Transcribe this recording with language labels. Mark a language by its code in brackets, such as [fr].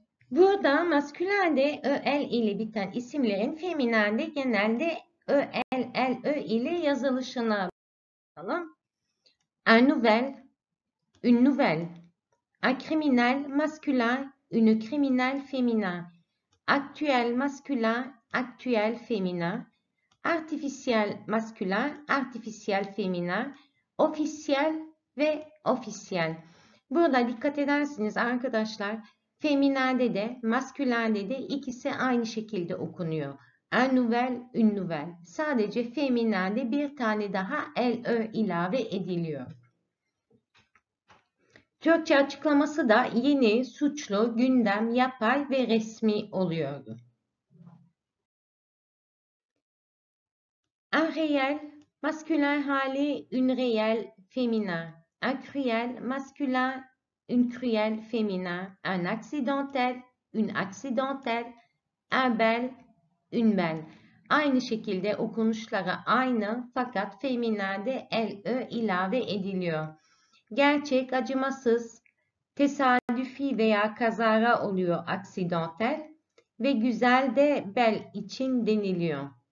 [tr] Burada maskülende öl ile biten isimlerin feminende genelde öl ile yazılışına bakalım. [fr] Un nouvel, une nouvelle. Un criminel, masculin, une criminelle féminin. Actuel, masculin, actuel, féminin. Artificiel, masculin, artificiel, féminin. Officiel ve officiel. [tr] Burada dikkat edersiniz arkadaşlar. Feminende de, maskülende de ikisi aynı şekilde okunuyor. [fr] Un nouvel, une nouvelle. [tr] Sadece feminende bir tane daha l-ö ilave ediliyor. Türkçe açıklaması da yeni, suçlu, gündem, yapay ve resmi oluyordu. [fr] Un réel, [tr] maskülen hali, [fr] une réelle, féminin. Un cruel, maskülen, une cruelle féminin, un accidentel, une accidentelle, un bel, une belle. [tr] Aynı şekilde okunuşları aynı fakat feminende l-ö ilave ediliyor. Gerçek, acımasız, tesadüfi veya kazara oluyor accidentel ve güzel de bel için deniliyor.